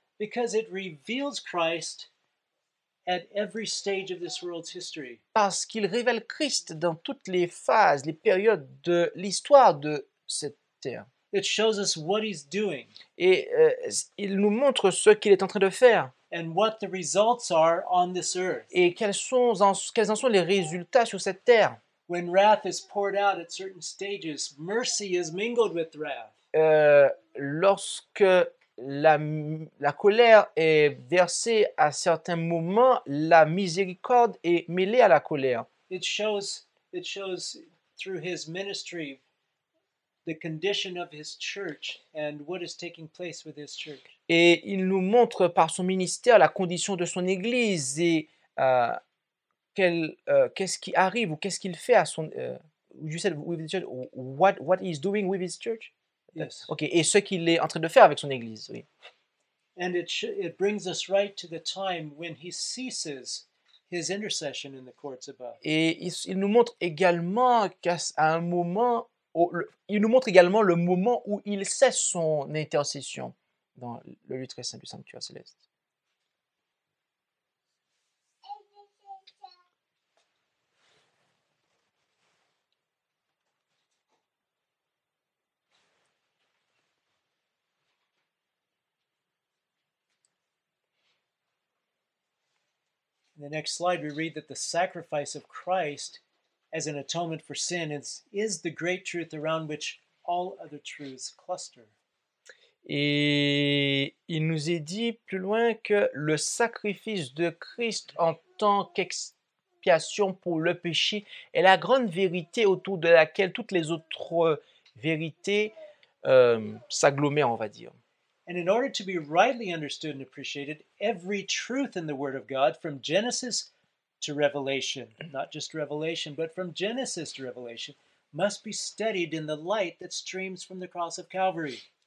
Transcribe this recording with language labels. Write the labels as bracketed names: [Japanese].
[English] Because it reveals Christ at every stage of this world's history. [French] Parce qu'il révèle Christ dans toutes les phases, les périodes de l'histoire de cette terre. [English] It shows us what he's doing. [French] Et il nous montre ce qu'il est en train de faire. [English] And what the results are on this earth. [French] Et quels en sont les résultats sur cette terre. [English] When wrath is poured out at certain stages, mercy is mingled with wrath. [French] Lorsque la colère est versée à certains moments, la miséricorde est mêlée à la colère. [English] It shows through his ministry the condition of his church and what is taking place with his church. [French] Et il nous montre par son ministère la condition de son église et qu'est-ce qui arrive ou qu'est-ce qu'il fait à son [English] you said with his church, what he's doing with his church? Yes. [French] Okay, et ce qu'il est en train de faire avec son église, oui. [English] And it brings us right to the time when he ceases his intercession in the courts above. [French] Et il nous montre également qu'à un moment il nous montre également le moment où il cesse son intercession dans le lieu très saint du sanctuaire céleste. [English] In the next slide, we read that the sacrifice of Christ as an atonement for sin is the great truth around which all other truths cluster. [French] Et il nous est dit plus loin que le sacrifice de Christ en tant qu'expiation pour le péché est la grande vérité autour de laquelle toutes les autres vérités s'agglomèrent, on va dire. [English] And in order to be rightly understood and appreciated, every truth in the Word of God, from Genesis to Revelation, not just Revelation, but from Genesis to Revelation, must be studied in the light that streams from the cross of Calvary.